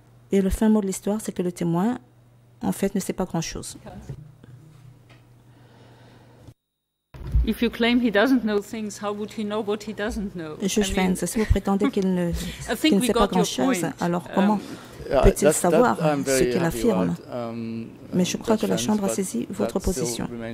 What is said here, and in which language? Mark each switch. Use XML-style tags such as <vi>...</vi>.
<fr>Et le fin mot de l'histoire, c'est que le témoin, en fait, ne sait pas grand-chose.</fr> <en>If you claim he doesn't know things, how would he know what he doesn't know?</en> <fr>Juge Vance, si vous prétendez qu'il ne sait pas grand-chose, alors comment peut-il savoir ce qu'il affirme? Mais je crois que la Chambre a saisi votre position.</fr>